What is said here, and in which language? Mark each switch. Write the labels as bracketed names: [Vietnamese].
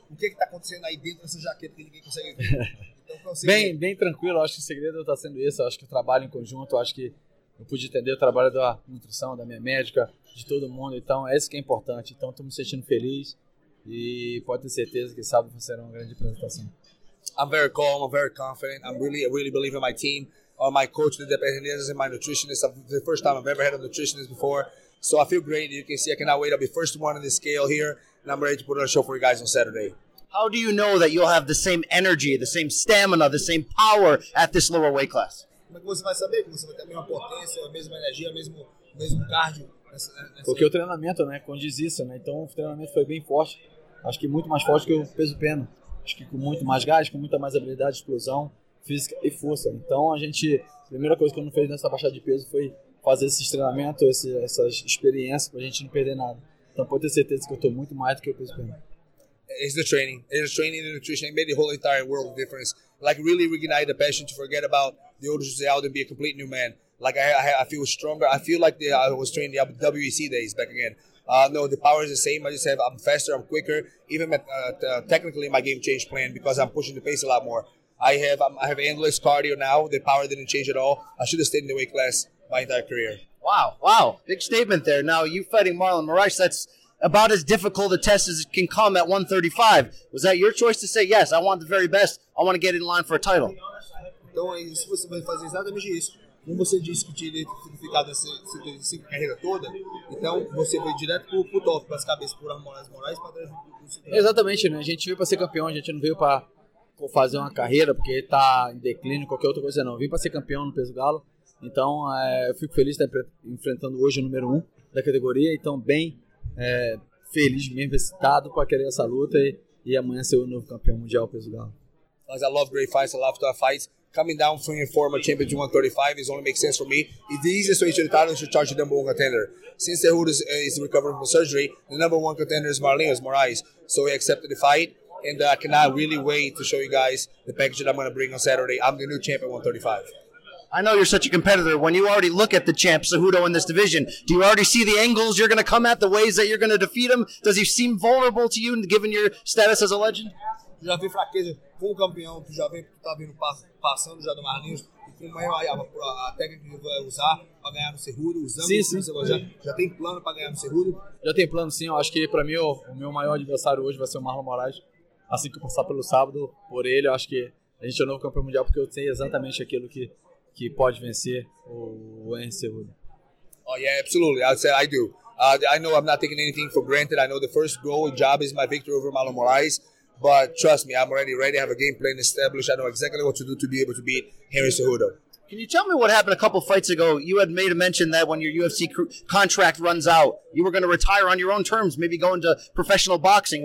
[Portuguese] O que está acontecendo aí dentro dessa jaqueta que ninguém consegue ver? Bem tranquilo. Acho que o segredo está sendo esse. Acho que o trabalho em conjunto. Acho que eu pude entender o trabalho da nutrição, da minha médica, de todo mundo. Então, é isso que é importante. Então, estou me sentindo feliz. E pode ter certeza que sábado vai ser uma grande apresentação. [English] I'm very calm, I'm very confident. I really believe in my team, on my coach, the dependencies, and my nutritionist. It's the first time I've ever had a nutritionist before. So I feel great. You can see I cannot wait. I'll be first one on the scale here, and I'm ready to put on a show for you guys on Saturday. How do you know that you'll have the same energy, the same stamina, the same power at this lower weight class? [Portuguese] Como é que você vai saber? Como você vai ter a mesma potência, a mesma energia, o mesmo cardio? Porque o treinamento, né, condiz isso, né? Então o treinamento foi bem forte. Acho que muito mais forte que o peso pena. Acho que com muito mais gás, com muita mais habilidade de explosão física e força. Então, a primeira coisa que eu não fiz nessa baixada de peso foi fazer esses treinamentos, essas experiências, para a gente não perder nada. Então, pode ter certeza que eu estou muito mais do que o peso pequeno. [English] It's the training. It's the training and the nutrition. It made the whole entire world a difference. Like, really reignite the passion to forget about the old Jose Aldo and be a complete new man. Like, I feel stronger. I feel like I was training the WEC days back again. No, the power is the same. I just have I'm faster, I'm quicker. Even technically, my game changed plan because I'm pushing the pace a lot more. I have endless cardio now. The power didn't change at all. I should have stayed in the weight class my entire career. Wow. Big statement there. Now, you fighting Marlon Moraes, that's about as difficult a test as it can come at 135. Was that your choice to say, yes, I want the very best. I want to get in line for a title? [Portuguese] Então, isso você vai fazer exatamente isso. Como você disse que tinha identificado essa carreira toda, então você veio direto para o top, para as cabeças, para o Moraes Moraes, para trás. Exatamente, né? A gente veio para ser campeão, a gente não veio para fazer uma carreira, porque está em declínio, qualquer outra coisa não. Vim para ser campeão no peso galo, então eu fico feliz de estar enfrentando hoje o número 1 da categoria, então bem feliz mesmo, excitado para querer essa luta e amanhã ser o novo campeão mundial peso galo. Mas eu amo [English] great fights, [Portuguese] eu amo [English] tough fights. Coming down from your former champion to 135 is only makes sense for me. It's the easiest way to the title is to charge the number one contender. Since Cejudo is recovering from surgery, the number one contender is Marlinhos Moraes. So he accepted the fight, and I cannot really wait to show you guys the package that I'm going to bring on Saturday. I'm the new champ at 135. I know you're such a competitor. When you already look at the champ, Cejudo, in this division, do you already see the angles you're going to come at, the ways that you're going to defeat him? Does he seem vulnerable to you, given your status as a legend? [Portuguese] Já vi fraqueza com o campeão, tu já vê que tá vindo passando já do Marlinhos, e como é a técnica que vai usar para ganhar no Cejudo, já tem plano para ganhar no Cejudo? Já tem plano, sim. Eu acho que para mim o meu maior adversário hoje vai ser o Marlon Moraes. Assim que eu passar pelo sábado, por ele, eu acho que a gente é o novo campeão mundial, porque eu sei exatamente aquilo que pode vencer o Henry Cejudo. [English] Oh, yeah, absolutely. I'd say I do. I know I'm not taking anything for granted. I know the first goal and job is my victory over Marlon Moraes. But trust me, I'm already ready. I have a game plan established. I know exactly what to do to be able to beat Henry Cejudo. Can you tell me what happened a couple fights ago? You had made a mention that when your UFC contract runs out, you were going to retire on your own terms, maybe go into professional boxing.